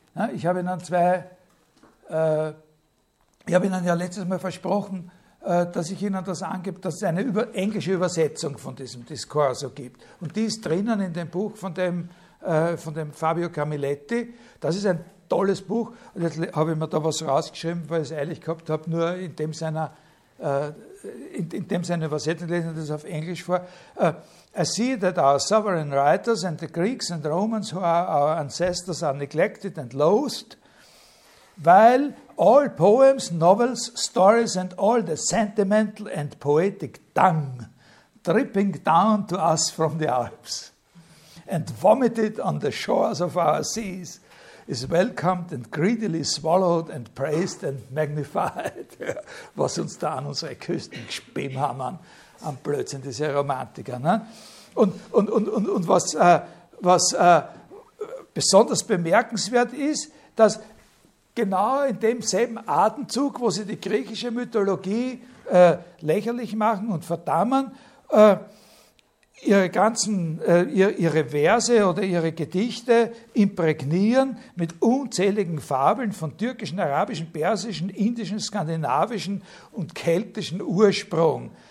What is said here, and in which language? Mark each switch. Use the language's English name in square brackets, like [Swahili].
[German] Ja, ich habe Ihnen ja letztes Mal versprochen, dass ich Ihnen das angebe, dass es eine englische Übersetzung von diesem Discorso gibt. Und die ist drinnen in dem Buch von dem Fabio Camilletti. Das ist ein tolles Buch. Und jetzt habe ich mir da was rausgeschrieben, weil ich es eilig gehabt habe, nur in dem seiner Übersetzung lesen wir das auf Englisch vor. [English] I see that our sovereign writers and the Greeks and Romans who are our ancestors are neglected and loathed, while all poems, novels, stories and all the sentimental and poetic dung dripping down to us from the Alps and vomited on the shores of our seas is welcomed and greedily swallowed and praised and magnified. [German] Was uns da an unsere Küsten gespimmt haben, an Blödsinn, diese Romantiker. Ne? Und was besonders bemerkenswert ist, dass genau in demselben Atemzug, wo sie die griechische Mythologie lächerlich machen und verdammen, ihre Verse oder ihre Gedichte imprägnieren mit unzähligen Fabeln von türkischen, arabischen, persischen, indischen, skandinavischen und keltischen Ursprung.